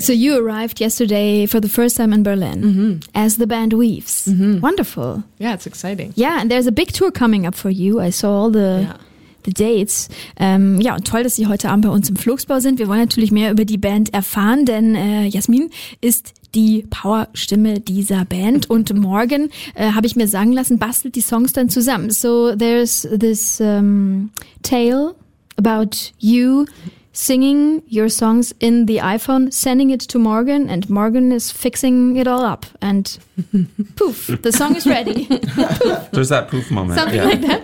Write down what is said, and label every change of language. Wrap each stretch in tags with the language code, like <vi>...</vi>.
<en>So you arrived yesterday for the first time in Berlin as the band Weaves. Mm-hmm. Wonderful. Yeah, it's exciting. Yeah, and there's a big tour coming up for you. I saw all the... Yeah. The Dates.</en> <de>Ja, und toll, dass Sie heute Abend bei uns im Fluxbau sind. Wir wollen natürlich mehr über die Band erfahren, denn Jasmin ist die Powerstimme dieser Band und Morgan, habe ich mir sagen lassen, bastelt die Songs dann zusammen.</de> <en>So there's this tale about you singing your songs in the iPhone, sending it to Morgan, and Morgan is fixing it all up. And poof, the song is ready. There's that poof moment. Something like that.</en>